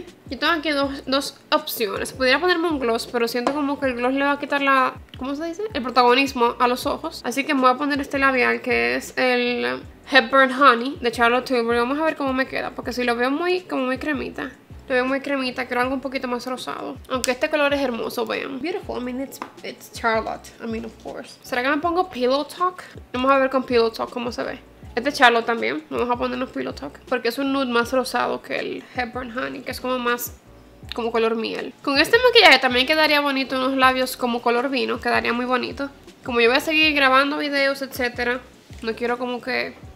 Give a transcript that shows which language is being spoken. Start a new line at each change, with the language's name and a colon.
Spanish: Yo tengo aquí dos opciones. Pudiera ponerme un gloss, pero siento como que el gloss le va a quitar la... ¿Cómo se dice? El protagonismo a los ojos. Así que me voy a poner este labial, que es el Hepburn Honey de Charlotte Tilbury. Vamos a ver cómo me queda, porque si lo veo muy, como muy cremita. Lo veo muy cremita, quiero algo un poquito más rosado. Aunque este color es hermoso, vean.
English: Beautiful, I mean it's Charlotte, I mean of course.
Spanish: ¿Será que me pongo Pillow Talk? Vamos a ver con Pillow Talk cómo se ve. Este es Charlotte también, vamos a ponernos Pillow Talk. Porque es un nude más rosado que el Hepburn Honey, que es como más, como color miel. Con este maquillaje también quedaría bonito unos labios como color vino, quedaría muy bonito. Como yo voy a seguir grabando videos, etc. No quiero como que...